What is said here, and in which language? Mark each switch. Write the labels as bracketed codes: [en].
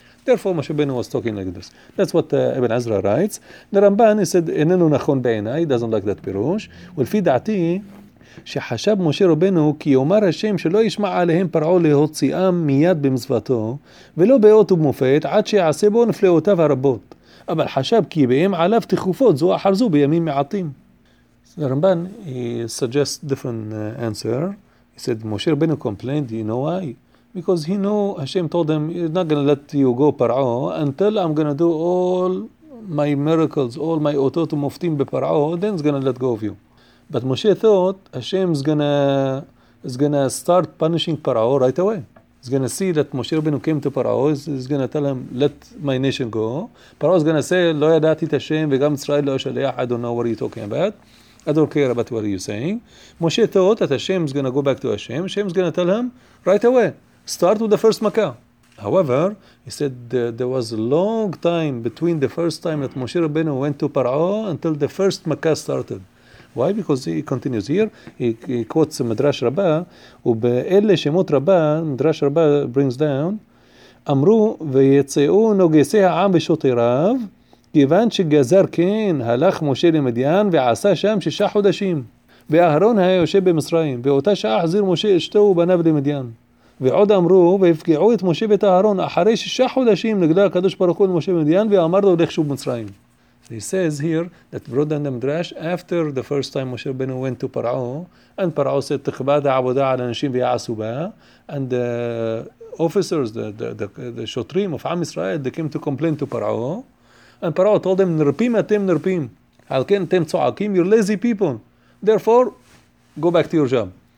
[en] Therefore, Moshe Rabbeinu was talking like this. That's what Ibn Ezra writes. The Ramban, he said, [he] איננו נכון בעיניי, [en] he doesn't like that פירוש. [he] ולפי דעתי, שחשב משה רבנו כי יאמר השם שלא ישמע עליהם פרעו להוציאם מיד במצוותו, ולא באות ומופת, עד שיעשה בו נפלאותיו הרבות. אבל חשב כי בהם עליו תחופות זו אחר זו בימים מעטים. [en] The Ramban, he suggests different answer. He said, Moshe Rabbeinu complained, you know why? Because he knew Hashem told him, he's not going to let you go, Par'o, until I'm going to do all my miracles, all my otot muftim b'Par'o, then he's going to let go of you. But Moshe thought Hashem's going to start punishing Par'o right away. He's going to see that Moshe Rabbeinu came to Par'o, he's going to tell him, let my nation go. Par'o's going to say, [he] lo yadati et Hashem, v'gam Yisrael lo shaleach, [en] I don't know what you're talking about. I don't care about what you're saying. Moshe thought that Hashem's going to go back to Hashem. Hashem's going to tell him right away. Start with the first Makkah. However, he said there was a long time between the first time that Moshe Rabbeinu went to Par'o until the first Makkah started. Why? Because he continues here. He quotes Midrash Rabbah. [he] ובאלה שמות רבה, [en] Midrash Rabbah brings down, [he] אמרו ויצאו נוגסי העם ושוטריו, כיוון שגזר כן הלך משה למדיין ועשה שם שישה חודשים. ואהרון היה יושב במצרים, ואותה שעה החזיר משה אשתו ובניו למדיין. ועוד אמרו, והפגעו את משה ואת אהרון אחרי שישה חודשים נגדה הקדוש ברוך הוא למשה במדיין, ואמר לו, לך שוב במצרים. [en] He says here that brought down the Midrash after the first time Moshe Rabbeinu went to Par'o, and Par'o said, [he] תכבד העבודה על אנשים ויעשו בה, [en] and the officers, the שוטרים of עם ישראל, they came to complain to Par'o, and Par'o told them, [he] נרפים אתם נרפים, על כן אתם צועקים, [en] you're lazy people, therefore, go back to your job.